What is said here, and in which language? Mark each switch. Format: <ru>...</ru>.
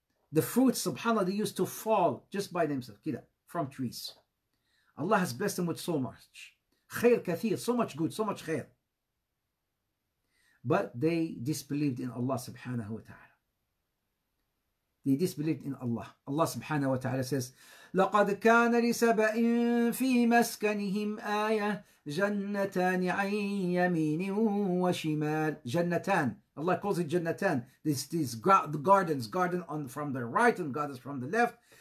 <en>The fruits, subhanAllah, they used to fall just by themselves, kida, from trees. Allah has blessed them with so much.</en> <ar>Khair kathir,</ar> <en>so much good, so much khair. But they disbelieved in Allah subhanahu wa ta'ala. They disbelieved in Allah. Allah subhanahu wa ta'ala says,</en> <ar>لَقَدْ كَانَ لِسَبَئٍ فِي مَسْكَنِهِمْ آيَةٍ جَنَّتَانِ عَنْ يَمِينٍ وَشِمَالٍ جَنَّتَانِ.</ar> <en>Allah calls it جَنَّتَانِ. These gardens, garden on from the right and gardens from the left.</en>